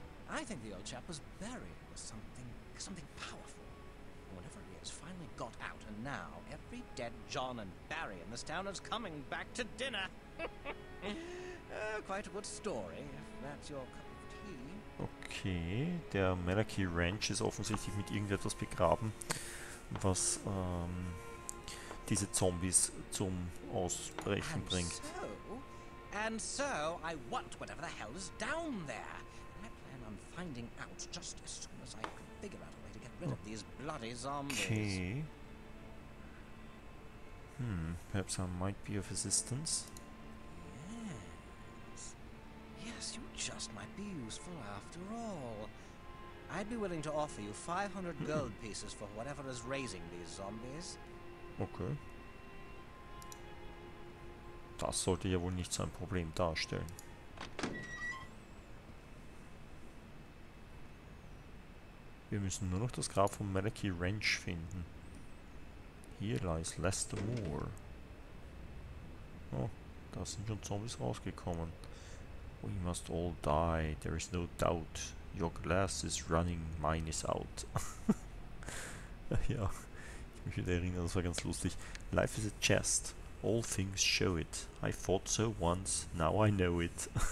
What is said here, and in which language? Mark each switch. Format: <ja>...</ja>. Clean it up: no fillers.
<en>I think the old chap was buried with something powerful. Whatever he has finally got out, and now every dead John and Barry in this town is coming back to dinner. quite a good story, if that's your cup of tea.</en> <de>Okay, der Malachi Ranch ist offensichtlich mit irgendetwas begraben, was diese Zombies zum Ausbrechen bringt.</de> <en>And so, I want whatever the hell is down there. And I plan on finding out just as soon as I can figure out a way to get rid of these bloody zombies. Okay. Perhaps I might be of assistance. Yes. Yes, you just might be useful after all. I'd be willing to offer you 500 gold pieces for whatever is raising these zombies. Okay.</en> <de>Das sollte ja wohl nicht so ein Problem darstellen. Wir müssen nur noch das Grab von Malachy Wrench finden. Hier lies Lester Moore. Oh, da sind schon Zombies rausgekommen.</de> <en>We must all die, there is no doubt. Your glass is running, mine is out.</en> <de>Ja, ich mich wieder erinnere, das war ganz lustig.</de> <en>Life is a chest, all things show it. I thought so once, now I know it.</en>